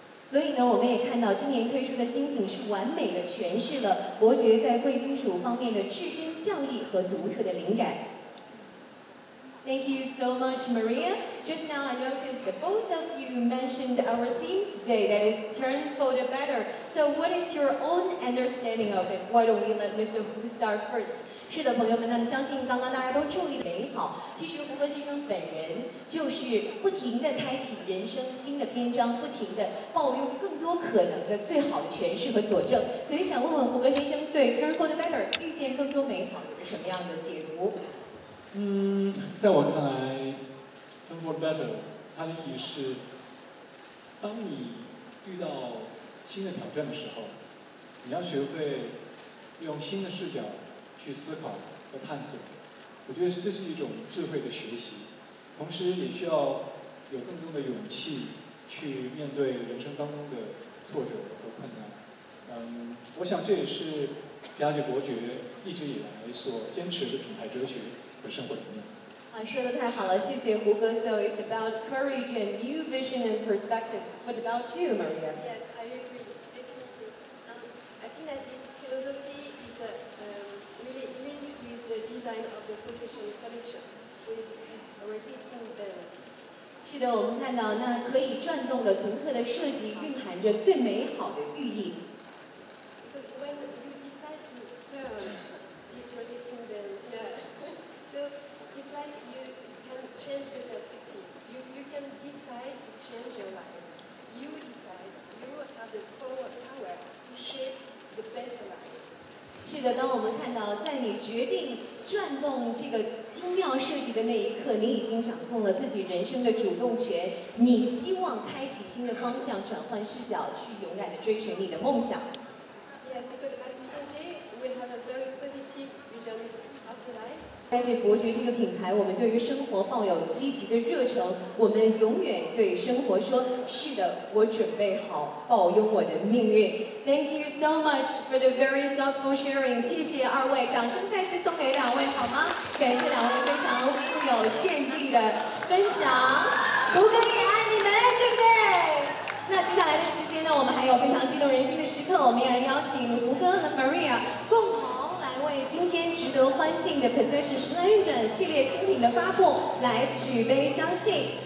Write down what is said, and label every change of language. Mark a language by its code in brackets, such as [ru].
[zh] 所以呢，我们也看到今年推出的新品是完美的诠释了伯爵在贵金属方面的至臻匠意和独特的灵感。 [en] Thank you so much, Maria. Just now I noticed that both of you mentioned our theme today, that is turn for the better. So what is your own understanding of it? Why don't we let Mr. Wu start first? [zh] 是的，朋友们，那么相信刚刚大家都注意美好。其实胡歌先生本人就是不停地开启人生新的篇章，不停地抱用更多可能的最好的诠释和佐证。所以想问问胡歌先生，对 [en] turn for the better, [zh] 遇见更多美好有什么样的解读？在我看来 [en] turn for better [zh] 它的意义是当你遇到新的挑战的时候，你要学会用新的视角去思考和探索。我觉得这是一种智慧的学习，同时也需要有更多的勇气去面对人生当中的挫折和困难。我想这也是皮亚杰伯爵一直以来所坚持的品牌哲学和生活理念。说得太好了，谢谢胡歌。 [en] So it's about courage and new vision and perspective. What about you, Maria? Yes, I agree. Definitely. I think that this philosophy is really linked with the design of the position collection, with this rotating band. [zh] 是的，我们看到那可以转动的独特的设计蕴含着最美好的寓意。 [en] Because when you decide to turn, it's rotating then, So it's like you can change the perspective. You can decide to change your life. You decide. You have the power to shape the better life. [zh] 是的，当我们看到在你决定转动这个精妙设计的那一刻，你已经掌控了自己人生的主动权，你希望开启新的方向，转换视角，去勇敢地追寻你的梦想。 [en] Yes, because at Piaget, we have a very positive vision of the life. [zh] 在这伯爵这个品牌，我们对于生活抱有积极的热忱，我们永远对生活说，是的，我准备好抱拥我的命运。 [en] Thank you so much for the very thoughtful sharing. [zh] 谢谢二位，掌声再次送给两位好吗？感谢两位非常富有见地的分享。胡歌也爱你们，对不对？那接下来的时间呢，我们还有非常激动人心的时刻，我们要邀请胡歌和 Maria 共同来为今天值得欢庆的 Position 时来运转系列新品的发布来举杯相庆。